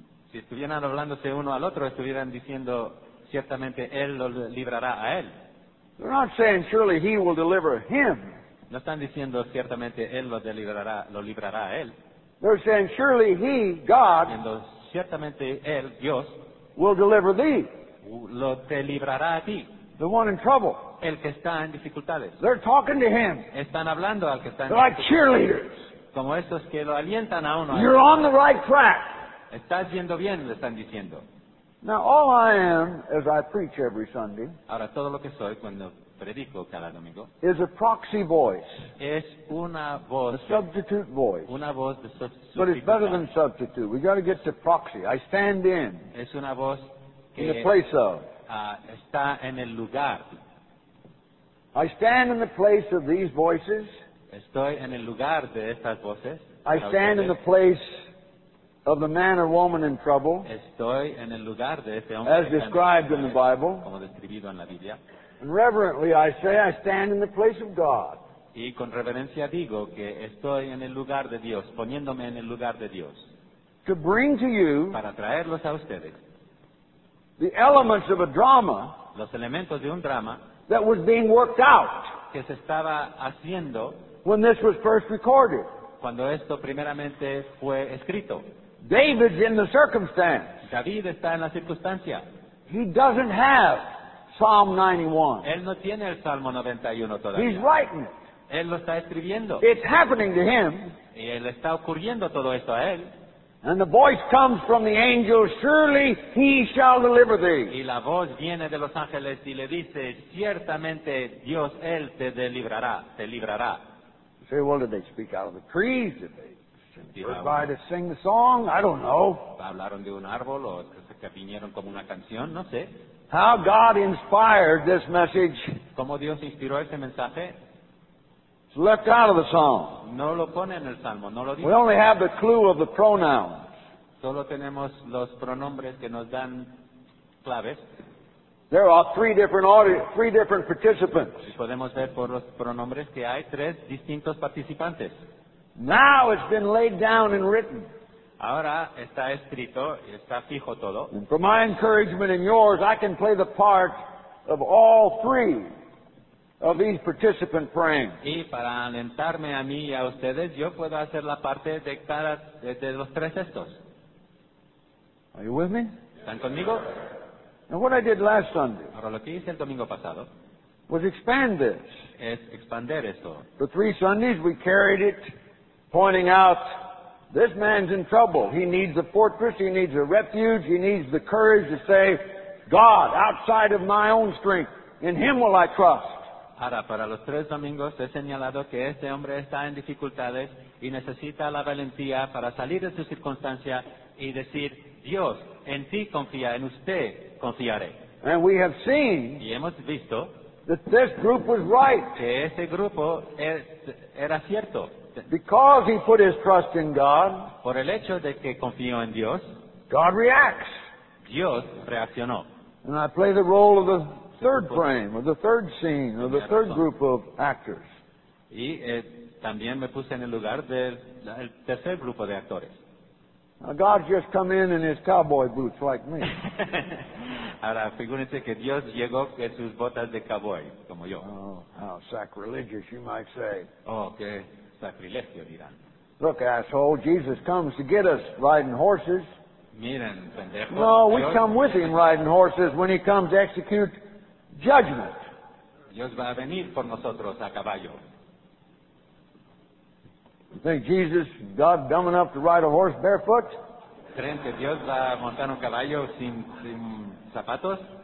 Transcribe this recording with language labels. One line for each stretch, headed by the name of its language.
Spanish: Si estuvieran hablándose uno al otro, estuvieran diciendo, ciertamente él lo librará a él.
English: They're not saying, surely he will deliver him.
Spanish: No están diciendo, ciertamente él lo librará a él.
English: They're saying, surely he, God,
Spanish: ciertamente él, Dios,
English: will deliver thee.
Spanish: Lo te librará a ti.
English: The one in trouble.
Spanish: El que está en dificultades.
English: They're talking to him.
Spanish: Están hablando al que está en dificultades.
English: They're like cheerleaders.
Spanish: como esos que lo alientan a uno.
English: You're on the right track.
Spanish: Estás yendo bien, le están diciendo.
English: Now all I am, as I preach every Sunday,
Spanish: ahora todo lo que soy cuando predico cada domingo,
English: is a proxy voice.
Spanish: Es una voz,
English: a substitute voice.
Spanish: Una voz de
English: but it's better than substitute. We've got to get to proxy. I stand in.
Spanish: Es una voz que
English: in the place of.
Spanish: Está en el lugar.
English: I stand in the place of these voices.
Spanish: Estoy en el lugar de estas voces.
English: I stand in the place of the man or woman in trouble.
Spanish: Estoy en el lugar de ese hombre,
English: as described in the Bible.
Spanish: Como describido en la Biblia.
English: And reverently I say I stand in the place of God.
Spanish: Y con reverencia digo que estoy en el lugar de Dios, poniéndome en el lugar de Dios.
English: To bring to you,
Spanish: para traerlos a ustedes,
English: the elements of a drama,
Spanish: los elementos de un drama,
English: that was being worked out,
Spanish: que se estaba haciendo,
English: when this was first recorded,
Spanish: cuando esto primeramente fue escrito.
English: David's in the circumstance.
Spanish: David está en la circunstancia.
English: He doesn't have Psalm 91.
Spanish: Él no tiene el Salmo 91 todavía.
English: He's writing it.
Spanish: Él lo está escribiendo.
English: It's happening to him.
Spanish: Y él está ocurriendo todo esto a él.
English: And the voice comes from the angel, surely he shall deliver thee.
Spanish: Y la voz viene de los ángeles y le dice, ciertamente Dios, él te deliverará, te librará.
English: You say, well, did they speak out of the trees? Did they try to sing the song? I don't know.
Spanish: ¿Hablaron de un árbol o se capiñeron como una canción? No sé.
English: How God inspired this message.
Spanish: ¿Cómo Dios inspiró este mensaje?
English: It's left out of the song.
Spanish: No lo pone en el Salmo, no lo dice.
English: We only have the clue of the pronouns.
Spanish: Solo tenemos los pronombres que nos dan claves.
English: There are three different participants.
Spanish: Y podemos ver por los pronombres que hay tres distintos participantes.
English: Now it's been laid down and written.
Spanish: Ahora está escrito, está fijo todo.
English: And for my encouragement and yours, I can play the part of all three of these participant praying.
Spanish: Y para alentarme a mí y a ustedes, yo puedo hacer la parte de cada de los tres estos.
English: Are you with me?
Spanish: ¿Están conmigo?
English: Now what I did last Sunday.
Spanish: Ahora lo que hice el domingo pasado.
English: Was expand this.
Spanish: Es expander esto.
English: For three Sundays we carried it, pointing out this man's in trouble. He needs a fortress. He needs a refuge. He needs the courage to say, God, outside of my own strength, in Him will I trust.
Spanish: Ahora, para los tres domingos he señalado que este hombre está en dificultades y necesita la valentía para salir de su circunstancia y decir, Dios, en ti confía, en usted confiaré.
English: And we have seen,
Spanish: y hemos visto,
English: that this group was right,
Spanish: que este grupo era cierto.
English: Because he put his trust in God,
Spanish: por el hecho de que confió en Dios,
English: God reacts.
Spanish: Dios reaccionó.
English: And I play the role of the third frame, or the third scene, or the third group of actors.
Spanish: Y también me puse en el lugar del tercer grupo de actores.
English: Now God's just come in his cowboy boots like me.
Spanish: Ahora, figúrense que Dios llegó en sus botas de cowboy, como yo.
English: Oh, how sacrilegious you might say.
Spanish: Oh, qué sacrilegio dirán.
English: Look, asshole, Jesus comes to get us riding horses.
Spanish: Miren, pendejo.
English: No, we come with him riding horses when he comes to execute judgment.
Spanish: Dios va a venir por nosotros a caballo.
English: You think Jesus, God, dumb enough to ride a horse barefoot?
Spanish: ¿Creen que Dios va a montar un caballo sin zapatos?